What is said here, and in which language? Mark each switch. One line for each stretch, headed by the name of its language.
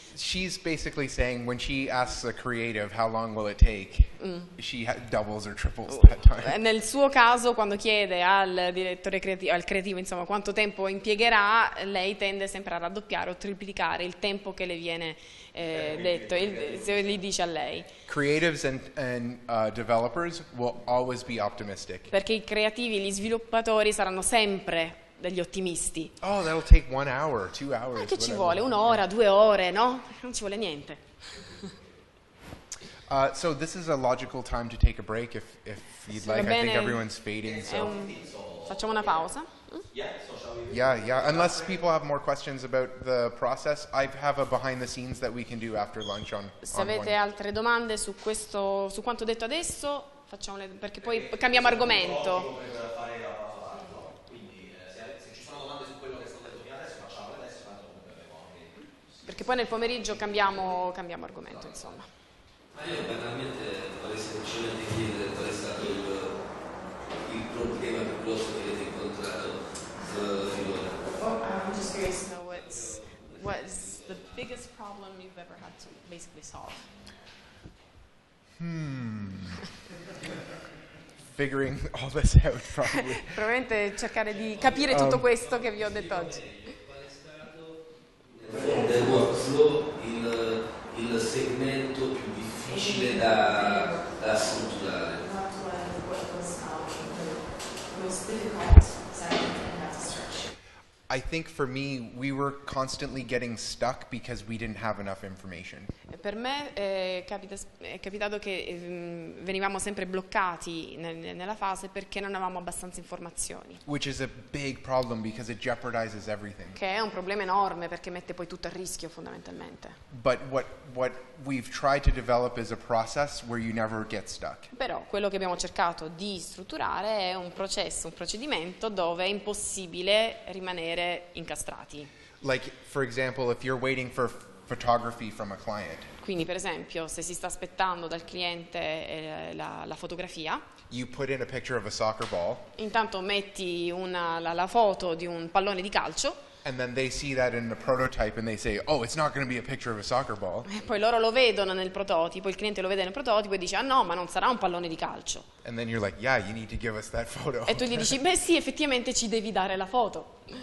English: She's basically saying when she asks a creative how long will it take, she doubles or triples that time.
Italian: Nel suo caso, quando chiede al direttore creativo, al creativo, insomma, quanto tempo impiegherà, lei tende sempre a raddoppiare o triplicare il tempo che le viene detto, se gli dice a lei.
English: Creatives and developers will always be optimistic.
Italian: Perché i creativi, gli sviluppatori saranno sempre degli ottimisti.
English: Oh, that'll take 1 hour, 2 hours.
Italian: Ma che ci vuole? Un'ora, 2 ore, no? Non ci vuole niente.
English: So this is a logical time to take a break if you'd like.
Italian: Bene.
English: I think everyone's fading, so.
Italian: Facciamo una pausa.
English: Yeah. Unless people have more questions about the process, I have a behind the scenes that we can do after lunch on.
Italian: Se avete altre domande su questo, su quanto detto adesso, facciamole, perché poi cambiamo argomento. Perché poi nel pomeriggio cambiamo argomento, insomma. Ma io banalmente vorrei semplicemente chiedere qual è stato il problema più grosso che avete incontrato finora.
English: Oh, I'm just curious to know what's the biggest problem you've ever had to basically solve. Figuring all this out, probably.
Italian: Probabilmente cercare di capire tutto questo che vi ho detto oggi. Del workflow, il segmento più difficile da strutturare.
English: I think for me we were constantly getting stuck because we didn't have enough information.
Italian: Per me è capitato che venivamo sempre bloccati nella fase perché non avevamo abbastanza informazioni.
English: Which is a big problem because it jeopardizes everything.
Italian: Che è un problema enorme perché mette poi tutto a rischio fondamentalmente.
English: But what we've tried to develop is a process where you never get stuck.
Italian: Però quello che abbiamo cercato di strutturare è un processo, un procedimento dove è impossibile rimanere incastrati.
English: Like for example, if you're waiting for photography from a client.
Italian: Quindi per esempio, se si sta aspettando dal cliente la fotografia.
English: You put in a picture of a soccer ball.
Italian: Intanto metti la foto di un pallone di calcio.
English: And then they see that in the prototype and they say, "Oh, it's not going to be a picture of a soccer ball."
Italian: E poi loro lo vedono nel prototipo, il cliente lo vede nel prototipo e dice, "Ah no, ma non sarà un pallone di calcio."
English: And then you're like, "Yeah, you need to give us that photo."
Italian: E tu gli dici, "Beh sì, effettivamente ci devi dare la foto."